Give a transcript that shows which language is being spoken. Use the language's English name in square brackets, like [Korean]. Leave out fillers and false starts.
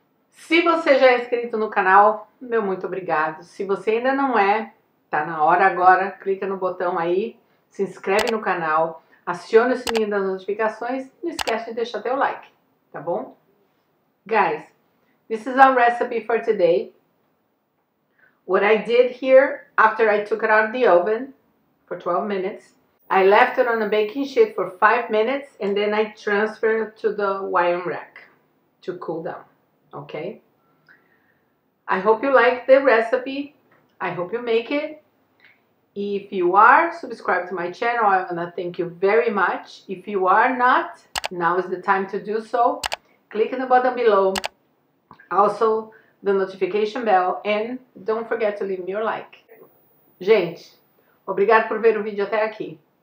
[Portuguese] Se você já é inscrito no canal, meu muito obrigado. Se você ainda não é, tá na hora agora, clica no botão aí, se inscreve no canal, aciona o sininho das notificações, não esquece de deixar teu like, tá bom? [English] Guys, this is our recipe for today. What I did here after I took it out of the oven for 12 minutes, I left it on a baking sheet for 5 minutes and then I transfer it to the wire rack to cool down. Okay. I hope you like the recipe. I hope you make it. If you are, subscribe to my channel. I want to thank you very much. If you are not, now is the time to do so. Click on the button below. Also, the notification bell. And don't forget to leave me your like. [Portuguese] Gente, obrigado por ver o vídeo até aqui.